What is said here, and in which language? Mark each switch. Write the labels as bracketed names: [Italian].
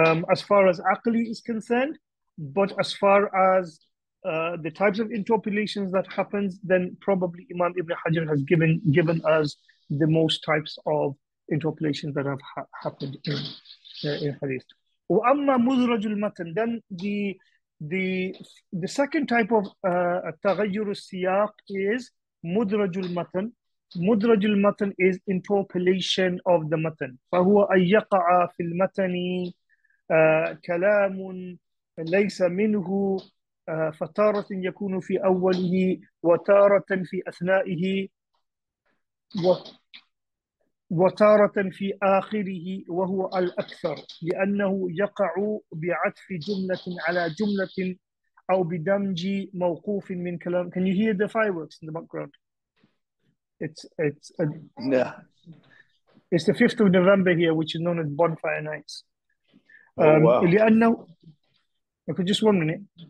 [English] As far as aqli is concerned, but as far as the types of interpolations that happens, then probably Imam Ibn Hajar has given us the most types of interpolations that have happened in hadith. [Arabic] وَأَمَّا مُذْرَجُ الْمَتَنِ, [English] then the second type of تَغَيُّرُ السِّيَاقِ is مُذْرَجُ الْمَتَنِ. مُذْرَجُ الْمَتَنِ is interpolation of the matan. [Arabic] فَهُوَ أَيَّقَعَ فِي الْمَتَنِ كَلَامٌ لَيْسَ مِنْهُ فَتَارَةٍ يَكُونُ فِي أَوَّلِهِ وَتَارَةً فِي أَثْنَائِهِ وتارة في آخره وهو الأكثر لأنه يقع بعطف جملة على جملة أو بدمج موقوف من كلام. [English] Can you hear the fireworks in the background? It's the 5th of November here, which is known as Bonfire Nights. Wow. Okay, just 1 minute.